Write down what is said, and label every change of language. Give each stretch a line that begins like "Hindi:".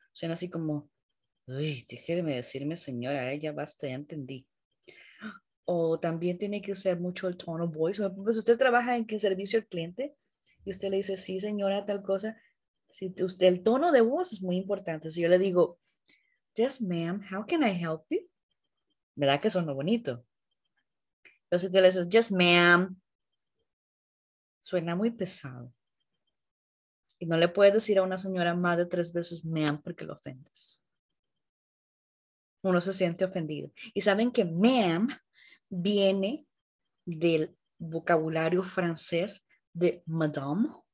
Spanish: Suena así como, uy, déjeme decirme, señora, ya basta, ya entendí. O también tiene que usar mucho el
English: tone of voice.
Spanish: Pues usted trabaja en el servicio al cliente y usted le dice, sí, señora, tal cosa. Si usted, el tono de voz es muy importante. Si yo le digo,
English: yes, ma'am, how can I help you?
Spanish: ¿Verdad que suena bonito? Pero si usted le dice,
English: yes, ma'am,
Spanish: suena muy pesado. Y no le puedes decir a una señora más de 3 veces, ma'am, porque lo ofendes. Uno se siente ofendido. Y saben que ma'am viene del vocabulario francés de madame.